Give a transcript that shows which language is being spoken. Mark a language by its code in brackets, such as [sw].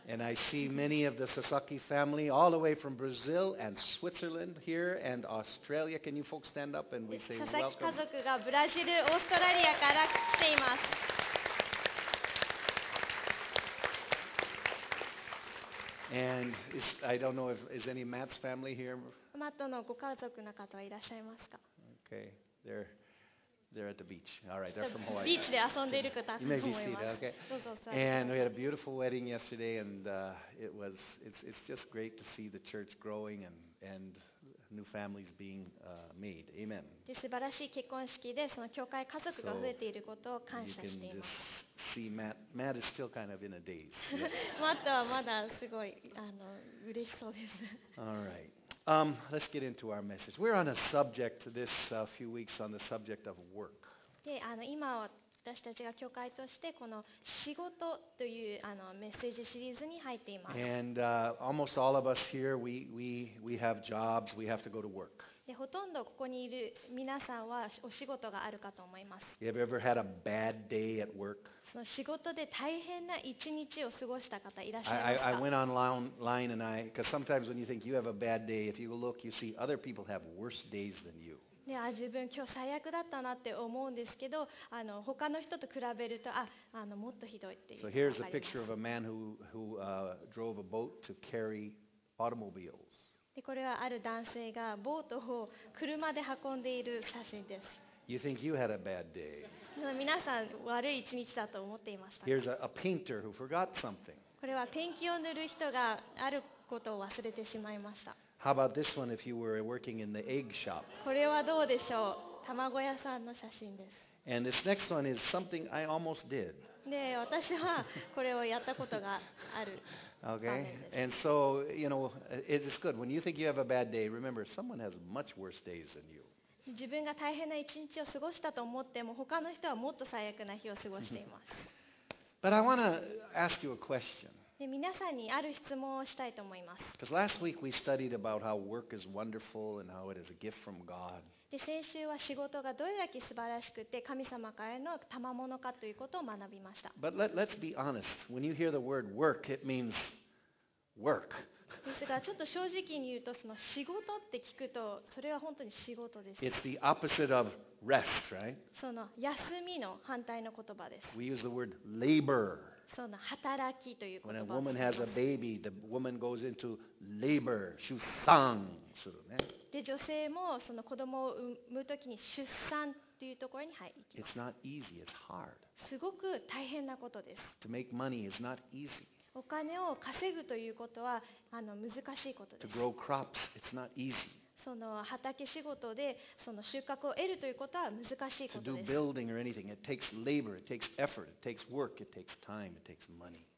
[en] And I see many of the Sasaki family all the way from Brazil and Switzerland here and Australia. Can you folks stand up and we say welcome? [ja] ササキ家族がブラジル、オーストラリアから来ています。 [en] And I don't know if is any Matt's family here. [ja] マットのご家族の方はいらっしゃいますか [en] ？Okay, there. They're at the beach. All right, they're from Hawaii. [ja] ビーチで遊んでいる方だと思います。 [en] You may be seated, okay? And we had a beautiful wedding yesterday, and it's just great to see the church growing and new families being made. Amen. [ja] 素晴らしい結婚式で、その教会家族が増えていることを感謝しています。 [en] So you can just see Matt is still kind of in a daze. [ja] Matt はまだすごい嬉しそうです。 [en] All right. Let's get into our message. We're on a subject this few weeks on the subject of work. [ja] で、今私たちが教会としてこの仕事というメッセージシリーズに入っています。 [en] And almost all of us here, we have jobs. We have to go to work. [ja] で、ほとんどここにいる皆さんはお仕事があるかと思います。 [en] You have ever had a bad day at work? [ja] その仕事で大変な一日を過ごした方いらっしゃいますか。 [en] I went online and I, because sometimes when you think you have a bad day, if you look, you see other people have worse days than you. [ja] で、あ、自分今日最悪だったなって思うんですけど、あの他の人と比べると、あ、あのもっとひどいっていう。 [en] So here's a picture of a man who drove a boat to carry automobiles. [ja] で、これはある男性がボートを車で運んでいる写真です。 [en] You think you had a bad day. [ja] 皆さん悪い一日だと思っていました。 [en] Here's a painter who forgot something. [ja] これはペンキを塗る人があることを忘れてしまいました。 [en] How about this one if you were working in the egg shop? [ja] これはどうでしょう。卵屋さんの写真です。 [en] And this next one is something I almost did. [ja] で、私はこれをやったことがある。 [en] Okay. And so, you know, it's good. When you think you have a bad day, remember, someone has much worse days than you. [ja] 自分が大変な一日を過ごしたと思っても、他の人はもっと最悪な日を過ごしています。 [en] But I want to ask you a question. [ja] で、皆さんにある質問をしたいと思います。 [en] Because last week we studied about how work is wonderful and how it is a gift from God. [ja] で、先週は仕事がどれだけ素晴らしくて神様からの賜物かということを学びました。 [en] But let's be honest. When you hear the word work, it means work. [ja] ですが、ちょっと正直に言うと、その仕事って聞くと、それは本当に仕事です。 [en] It's the opposite of rest, right? [ja] その休みの反対の言葉です。 [en] We use the word labor. [ja] その働きという言葉を使います。 [en] When a woman has a baby, the woman goes into labor, [ja] 出産するね。で、女性もその子供を産むときに出産というところに入ります。 [en] It's not easy, it's hard. [ja] すごく大変なことです。 [en] To make money is not easy. [ja] お金を稼ぐということは難しいことです。 [en] To grow crops, it's not easy. [ja] その畑仕事でその収穫を得るということは難しいことです。 [en] To do building or anything, it takes labor, it takes effort, it takes work, it takes time, it takes money.